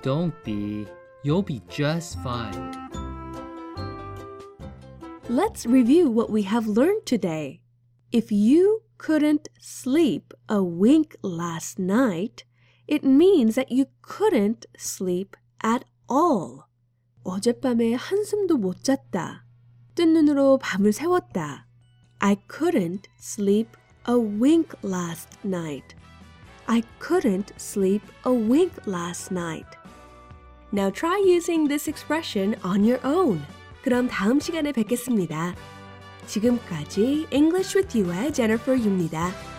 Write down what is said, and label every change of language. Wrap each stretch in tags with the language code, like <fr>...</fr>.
<en>Don't be. You'll be just fine. Let's review what we have learned today. If you couldn't sleep a wink last night, it means that you couldn't sleep at all.</en> <ko>어젯밤에 한숨도 못 잤다. 뜬 눈으로 밤을 새웠다.</ko> <en>I couldn't sleep a wink last night. I couldn't sleep a wink last night. Now try using this expression on your own.</en> <ko>그럼 다음 시간에 뵙겠습니다. 지금까지 English with You의 Jennifer 유입니다.</ko>